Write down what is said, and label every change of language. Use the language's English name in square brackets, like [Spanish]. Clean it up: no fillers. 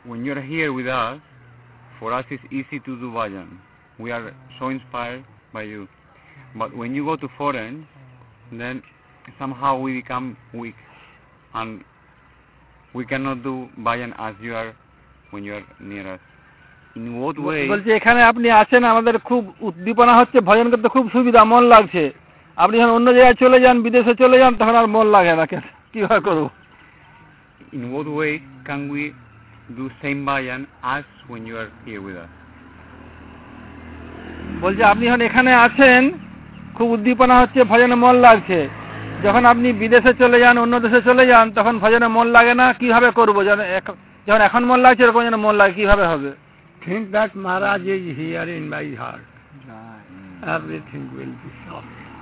[English] When you're here with us, for us it's easy to do bhajan. We are so inspired by you. But when you go to foreign, then somehow we become weak and we cannot do bhajan as you are when you are near us. [Bangla] বলছে এখানে আপনি আছেন, আমাদের খুব উদ্দীপনা হচ্ছে, ভজন করতে খুব সুবিধা, মন লাগছে। আপনি যখন অন্য জায়গায় চলে যান, বিদেশে চলে যান, তখন আর মন লাগে না, কিভাবে করবো? [English] In what way can we do same bhajan as when you are here with us? [Bangla] বলছে আপনি যখন এখানে আছেন খুব উদ্দীপনা হচ্ছে, ভজনে মন লাগছে, যখন আপনি বিদেশে চলে যান অন্য দেশে চলে যান তখন ভজনে মন লাগে না, কিভাবে করবো? যখন এখন মন লাগছে এরকম যেন মন লাগে, কিভাবে হবে? [English] Think that Maharaj is here in my heart. Everything will be solved.